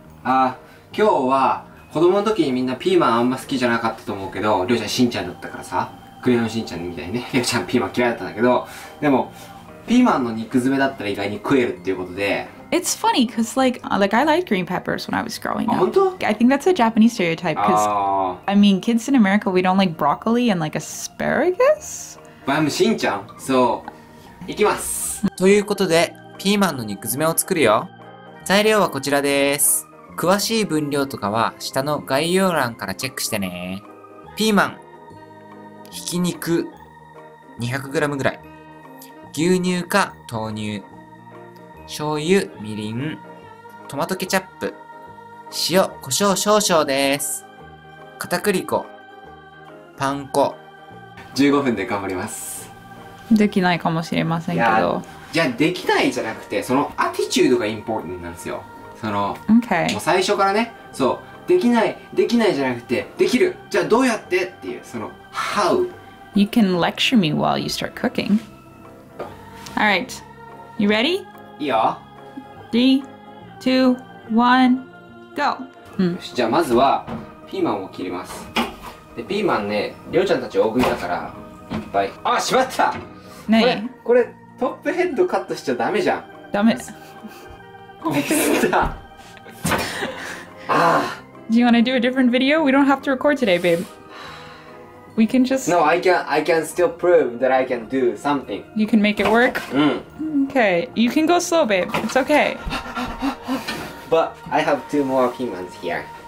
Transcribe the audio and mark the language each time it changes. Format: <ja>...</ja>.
<ja>今日は子供の時にみんなピーマンあんま好きじゃなかったと思うけど、りょうちゃんしんちゃんだったからさ、クレヨンしんちゃんみたいにね、りょうちゃんピーマン嫌いだったんだけど、でもピーマンの肉詰めだったら意外に食えるっていうことで、</ja> <en>It's funny because like I liked green peppers when I was growing up.</en> <ja>本当?</ja> <en>I think that's a Japanese stereotype because I mean kids in America we don't like broccoli and like asparagus. But I'm Shin-chan, so</en> <ja>いきます。ということでピーマンの肉詰めを作るよ。材料はこちらです。詳しい分量とかは下の概要欄からチェックしてね。ピーマン、ひき肉 200g ぐらい、牛乳か豆乳。醤油、みりん、トマトケチャップ、塩、胡椒少々です。片栗粉、パン粉。 15分で頑張ります。できないかもしれませんけど。いや、できないじゃなくて、そのアティチュードがインポータントなんですよ。その、</ja> <en>okay.</en> <ja>もう最初からね、そう、できない、できないじゃなくて、できる、じゃあどうやってっていう、その、</ja> <en>How? You can lecture me while you start cooking. All right, you ready?</en> <ja>いいよ。 3、2、1、GO! よし、じゃあまずはピーマンを切ります。で、ピーマンね、りょうちゃんたち大食いだから、いっぱい。あ、しまった! 何? これ、トップヘッドカットしちゃダメじゃん。ダメ。ミスった。ああ。</ja> <en>Do you want to do a different video? We don't have to record today, babe. We can just... No, I can still prove that I can do something. You can make it work?</en> <ja>うん。</ja> <en>Okay, you can go slow, babe. It's okay. But I have two more pimans here.</en>